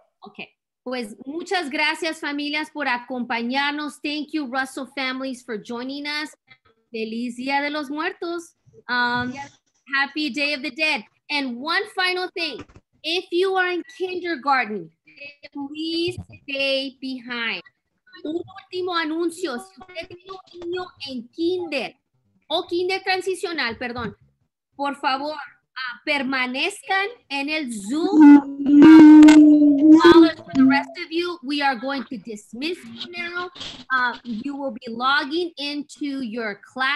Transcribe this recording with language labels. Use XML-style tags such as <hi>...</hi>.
<es>Okay, pues muchas gracias familias por acompañarnos.</es> <en>Thank you Russell families for joining us.</en> <es>Feliz Día de los Muertos.</es> <en>Happy Day of the Dead. And one final thing, if you are in kindergarten, please stay behind.</en> <es>Un último anuncio, si usted tiene un niño en kinder, o kinder transicional, perdón, por favor, permanezcan en el Zoom.</es> <en>Scholars, for the rest of you, we are going to dismiss you now. You will be logging into your class.</en>